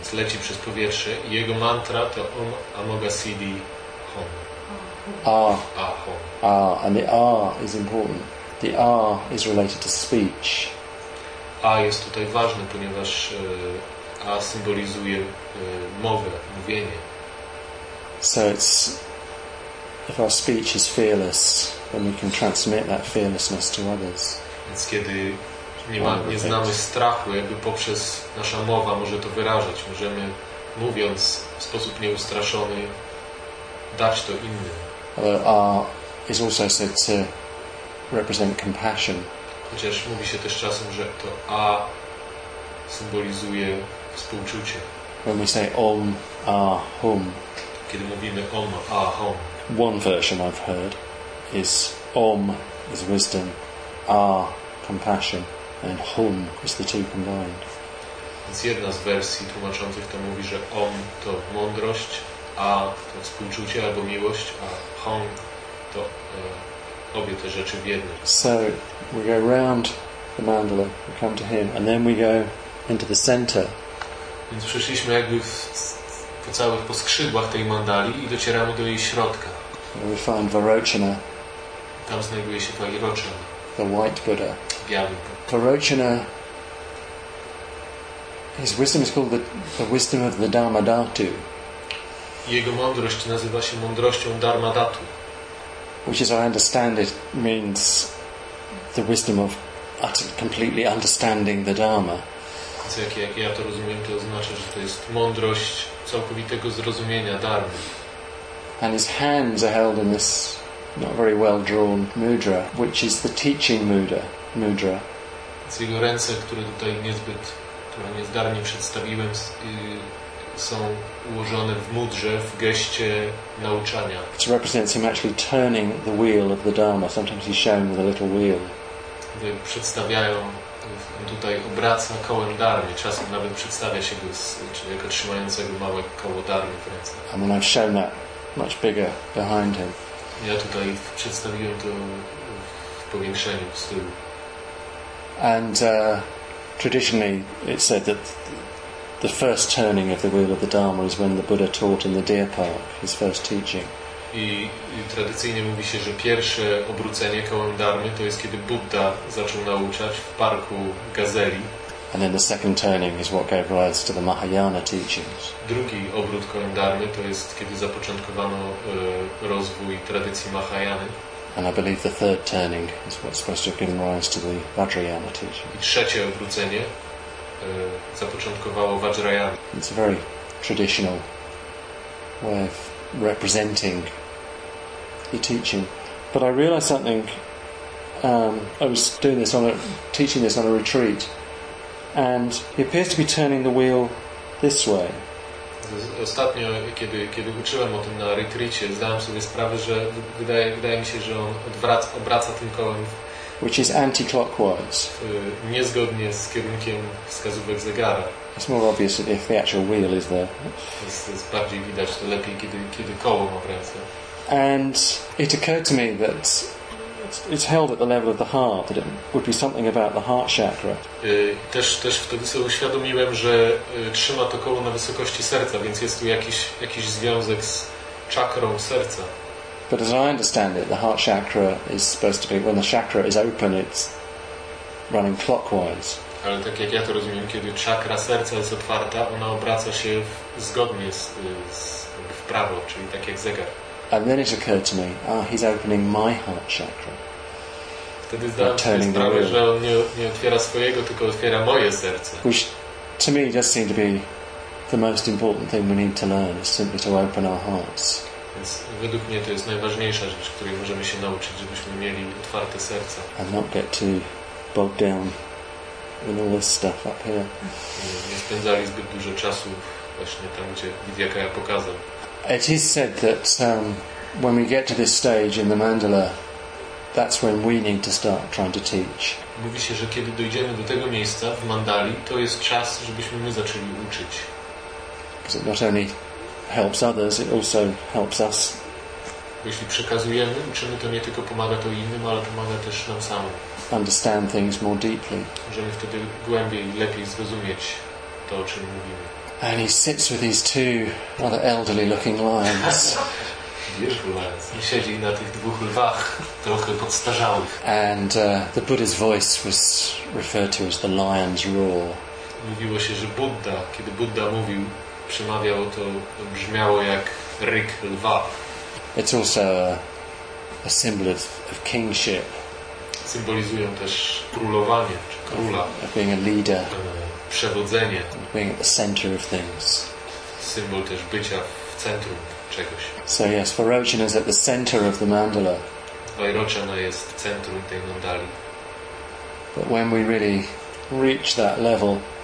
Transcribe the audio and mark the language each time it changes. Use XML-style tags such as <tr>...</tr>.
<pl>Leci przez powietrze. Jego mantra to Om Amoghasiddhi Hom. Ah. Ahom.</pl> <en>Ah, and the ah is important. The ah is related to speech.</en> <pl>A jest tutaj ważne, ponieważ A symbolizuje mowę, mówienie.</pl> <en>So it's, if our speech is fearless, then we can transmit that fearlessness to others.</en> <pl>Więc kiedy nie znamy strachu, jakby poprzez nasza mowa może to wyrażać. Możemy, mówiąc w sposób nieustraszony, dać to innym.</pl> <en>A is also said to represent compassion.</en> <pl>Chociaż mówi się też czasem, że to A symbolizuje współczucie.</pl> <en>When we say Om Ahom.</en> <pl>Kiedy mówimy Om Ahom.</pl> <en>One version I've heard is Om is wisdom, Ah compassion, and Hum is the two combined.</en> <pl>Więc jedna z wersji tłumaczących to mówi, że Om to mądrość, A to współczucie albo miłość, a Hum to obie te rzeczy w jednym.</pl> <en>So we go round the mandala, we come to him, and then we go into the center.</en> <pl>Więc przeszliśmy jakby po całych skrzydłach tej mandali i docieramy do jej środka.</pl> <en>And we find Varochana.</en> <pl>Tam znajduje się Varochana.</pl> <en>The white Buddha.</en> <pl>Biały Buddha.</pl> <en>Varochana, his wisdom is called the wisdom of the Dharmadhatu.</en> <pl>Jego mądrość nazywa się mądrością Dharmadhatu.</pl> <en>Which, as I understand it, means the wisdom of utter, completely understanding the Dharma.</en> <pl>Co jak ja to rozumiem, to oznacza, że to jest mądrość całkowitego zrozumienia Dharmy.</pl> <en>And his hands are held in this not very well drawn mudra, which is the teaching mudra.</en> <pl>Więc jego ręce, które tutaj niezbyt, które niezdarnie przedstawiłem, są ułożone w mudrze, w geście nauczania.</pl> <en>It represents him actually turning the wheel of the Dharma. Sometimes he's shown with a little wheel.</en> <pl>Przedstawiają, on tutaj obraca kołem Dharmy. Czasem nawet przedstawia się go jako trzymającego małe koło Dharmy w ręce.</pl> <en>And then I've shown that much bigger behind him.</en> <pl>Ja tutaj przedstawiłem to w powiększeniu, z tyłu.</pl> <en>And traditionally it's said that the first turning of the wheel of the Dharma is when the Buddha taught in the deer park, his first teaching.</en> <pl>I tradycyjnie mówi się, że pierwsze obrócenie kołem Dharmy to jest kiedy Buddha zaczął nauczać w parku gazeli.</pl> <en>And then the second turning is what gave rise to the Mahayana teachings.</en> <pl>Drugi obrót kołem Dharmy to jest kiedy zapoczątkowano rozwój tradycji Mahayany.</pl> <en>And I believe the third turning is what's supposed to have given rise to the Vajrayana teachings.</en> <pl>I trzecie obrócenie zapoczątkowało Vajrayana.</pl> <en>It's a very traditional way of representing the teaching. But I realized something. I was doing this on a teaching this on a retreat. And he appears to be turning the wheel this way.</en> <pl>Ostatnio, kiedy uczyłem o tym na retreacie, zdałem sobie sprawę, że wydaje mi się, że on obraca tym kołem.</pl> <en>Which is anti-clockwise.</en> <pl>Niezgodnie z kierunkiem wskazówek zegara.</pl> <en>It's more obvious if the actual wheel is there.</en> <pl>Jest bardziej widać to lepiej, kiedy koło ma w ręce.</pl> <en>And it occurred to me that it's held at the level of the heart, that it would be something about the heart chakra.</en> <pl>Też wtedy sobie uświadomiłem, że trzyma to koło na wysokości serca, więc jest tu jakiś związek z czakrą serca.</pl> <en>But as I understand it, the heart chakra is supposed to be, when the chakra is open, it's running clockwise.</en> <pl>Ale tak jak ja to rozumiem, kiedy czakra serca jest otwarta, ona obraca się zgodnie w prawo, czyli tak jak zegar.</pl> <en>And then it occurred to me, he's opening my heart chakra.</en> <pl>Wtedy zdałem sobie sprawę, że on nie otwiera swojego, tylko otwiera moje serce.</pl> <en>Which to me just seemed to be the most important thing we need to learn, is simply to open our hearts.</en> <pl>Więc według mnie to jest najważniejsza rzecz, której możemy się nauczyć, żebyśmy mieli otwarte serca.</pl> <en>And not get too bogged down in all this stuff up here.</en> <pl>Nie spędzali zbyt dużo czasu właśnie tam, gdzie Vidyaka ja pokazał.</pl> <en>It is said that when we get to this stage in the mandala, that's when we need to start trying to teach.</en> <pl>Mówi się, że kiedy dojdziemy do tego miejsca w mandali, to jest czas, żebyśmy my zaczęli uczyć.</pl> <en>Because it not only helps others, it also helps us.</en> <pl>Jeśli przekazujemy, uczymy, to nie tylko pomaga to innym, ale pomaga też nam samym.</pl> <en>Understand things more deeply.</en> <pl>Możemy wtedy głębiej i lepiej zrozumieć to, o czym mówimy.</pl> <en>And he sits with these two rather elderly-looking lions. Beautiful lions. He</en> <pl>siedzi na tych dwóch lwach, trochę podstarzałych.</pl> <en>And the Buddha's voice was referred to as the lion's roar.</en> <pl>Mówiło się, że Buddha, kiedy Buddha mówił, przemawiał, to brzmiało jak ryk lwa.</pl> <en>It's also a symbol of kingship.</en> <pl>Symbolizują też królowanie, czy króla.</pl> <en>Of being a leader.</en> <pl>Przewodzenie.</pl> <en>Being at the center of things.</en> <pl>Symbol też bycia w centrum czegoś.</pl> <en>So yes, Vairochana is at the center of the mandala.</en> <pl>Vairochana jest w centrum tej mandali.</pl> <en>But when we really reach that level,</en>